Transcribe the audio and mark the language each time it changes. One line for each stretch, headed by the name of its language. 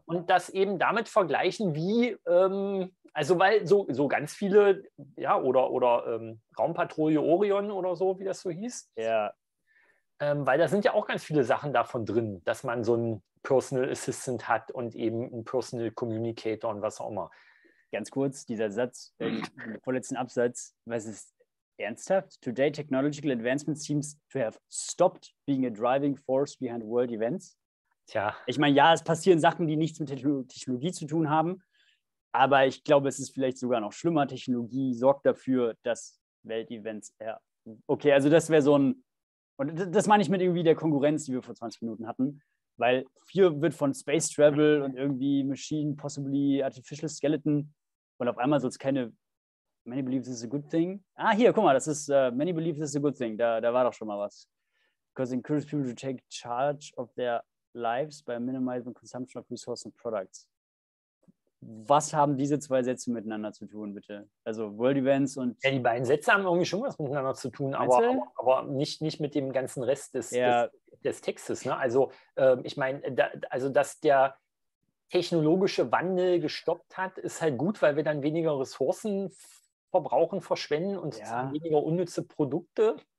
German: Und das eben damit vergleichen, wie, also weil so ganz viele, ja, oder Raumpatrouille Orion oder so, wie das so hieß. Ja. Weil da sind ja auch ganz viele Sachen davon drin, dass man so einen Personal Assistant hat und eben einen Personal Communicator und was auch immer. Ganz kurz, dieser Satz, vorletzten Absatz, was ist ernsthaft?
English: Today technological advancement seems to have stopped being a driving force behind world events.
German: Tja. Ich meine, ja, es passieren Sachen, die nichts mit Technologie zu tun haben, aber ich glaube, es ist vielleicht sogar noch schlimmer. Technologie sorgt dafür, dass Weltevents, ja, okay, also das wäre so ein, und das meine ich mit irgendwie der Konkurrenz, die wir vor 20 Minuten hatten, weil hier wird von Space Travel und irgendwie
English: Machine, possibly Artificial Skeleton
German: und auf einmal soll es keine,
English: many believe this is a good thing.
German: Ah, hier, guck mal, das ist,
English: many believe this is a good thing,
German: da war doch schon mal was.
English: Because it encourages people to take charge of their lives by minimizing consumption of resources and products.
German: Was haben diese zwei Sätze miteinander zu tun, bitte? Also World Events und... Ja, die beiden Sätze haben irgendwie schon was miteinander zu tun, aber nicht mit dem ganzen Rest des Textes. Ne? Also ich meine, dass der technologische Wandel gestoppt hat, ist halt gut, weil wir dann weniger Ressourcen verbrauchen, verschwenden und weniger unnütze Produkte.